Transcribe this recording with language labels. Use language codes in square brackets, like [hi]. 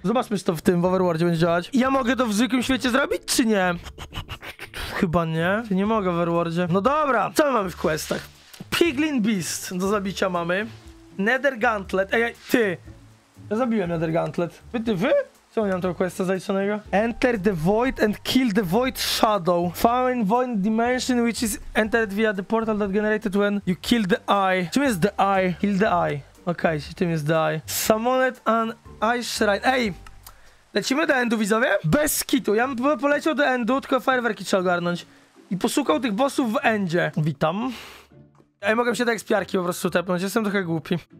[pl] Zobaczmy, czy to w tym, w Overworldzie będzie działać. Ja mogę to w zwykłym świecie zrobić, czy nie? Chyba nie. Czy nie mogę w Overworldzie? No dobra, co my mamy w questach? Piglin Beast do zabicia mamy. Nether Gauntlet. Ej, ty. Ja zabiłem Nether Gauntlet. Wy? Co nie mam tego questa zaliczonego? [en] Enter the Void and kill the Void Shadow. Find Void Dimension which is entered via the portal that generated when you kill the Eye. [pl] Czym jest the Eye? [en] Kill the Eye. Okej, okay, [pl] czym jest [en] the Eye? Summoned an Eye Shrine. Ej! [pl] Lecimy do endu, widzowie? Bez kitu. Ja bym poleciał do endu, tylko fireworki trzeba ogarnąć. I poszukał tych bossów w endzie. Witam. Ej, mogę się tak z piarki po prostu tepnąć, jestem trochę głupi.